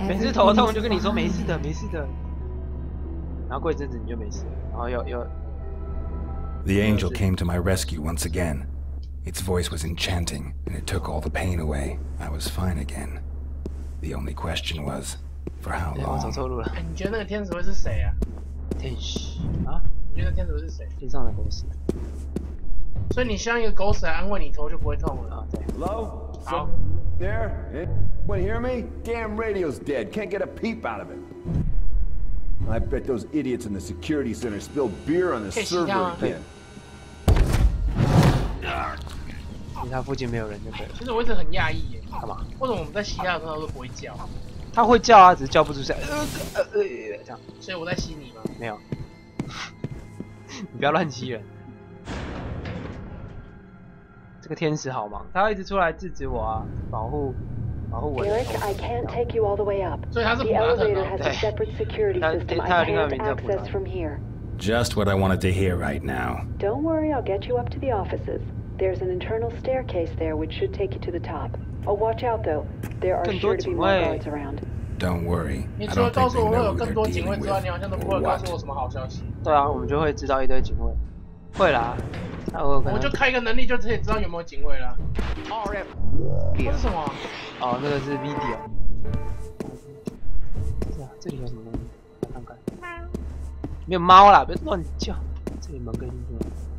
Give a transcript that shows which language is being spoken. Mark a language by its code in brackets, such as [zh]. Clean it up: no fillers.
[zh] 每次头痛就跟你说没事的，没事的。然后过一阵子你就没事，然后又。 [en] The angel came to my rescue once again. Its voice was enchanting, and it took all the pain away. I was fine again. The only question was, for how long? [zh] 我走错路了。你觉得那个天使会是谁啊？天使啊？你觉得天使会是谁？天上的狗屎。所以你像一个狗屎来安慰你，头就不会痛了啊？对。 [en] Hello. So, there. Can you hear me? Damn radio's dead. Can't get a peep out of it. I bet those idiots in the security center spilled beer on the server again. [zh] 因为他附近没有人就可以。其实我一直很讶异耶，干嘛？为什么我们在吸他的时候都不会叫？他会叫啊，只是叫不出声。这样。所以我在吸你吗？没有。你不要乱吸人。这个天使好忙，他一直出来制止我啊，保护我的同学。 [en] Derek, I can't take you all the way up. So he has a separate security system. The elevator has a separate security system. I can't access from here. Just what I wanted to hear right now. Don't worry, I'll get you up to the offices. There's an internal staircase there, which should take you to the top. Oh, watch out, though. There are sure to be more guards around. Don't worry. I don't think they know what they're dealing with. Or what? [zh] 对啊，我们就会知道一堆警卫。会啦。我就开一个能力，就可以知道有没有警卫啦。 RF， 这是什么？哦，那个是 video。是啊，这里有什么东西？看看。没有猫啦，别乱叫。这里门可以进去吗？